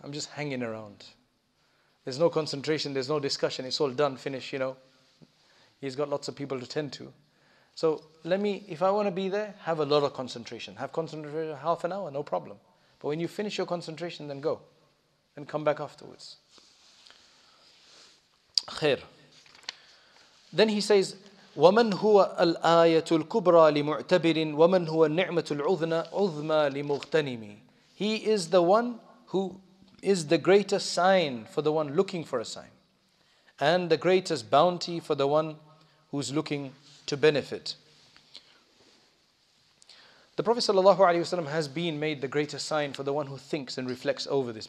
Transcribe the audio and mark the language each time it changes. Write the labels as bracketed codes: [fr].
[en] I'm just hanging around. There's no concentration, there's no discussion, it's all done, finished, you know. He's got lots of people to tend to. So if I want to be there, have a lot of concentration. Have concentration half an hour, no problem. But when you finish your concentration, then go. And come back afterwards. Khair. Then he says, [ar] وَمَنْ هُوَ الْآيَةُ الْكُبْرَى لِمُعْتَبِرٍ وَمَنْ هُوَ النِّعْمَةُ الْعُذْنَى عُذْمَى لِمُغْتَنِمِ. [en] He is the one who is the greatest sign for the one looking for a sign, and the greatest bounty for the one who's looking to benefit. The Prophet sallallahu alaihi wasallam has been made the greatest sign for the one who thinks and reflects over this.